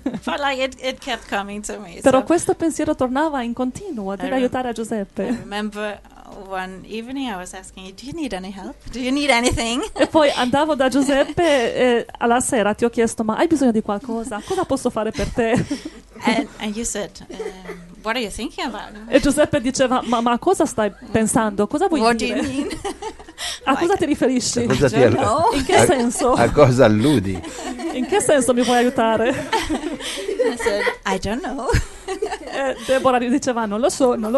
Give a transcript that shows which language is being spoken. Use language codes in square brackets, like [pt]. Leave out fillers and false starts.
[en] But like it kept coming to me. [it] Però so questo pensiero tornava in continuo, di aiutare a Giuseppe. [en] I remember one evening I was asking you, do you need any help? Do you need anything? [it] E poi andavo da Giuseppe e alla sera ti ho chiesto, ma hai bisogno di qualcosa? Cosa posso fare per te? [en] And you said, what are you thinking about? [it] E Giuseppe diceva, ma cosa stai pensando? Cosa vuoi [en] what [it] dire? [en] What do you mean? [it] A cosa ti riferisci? Cosa ti no? In che senso? A cosa alludi? In che senso mi vuoi aiutare? [en] I said, I don't know. [it] Deborah gli diceva, non lo so.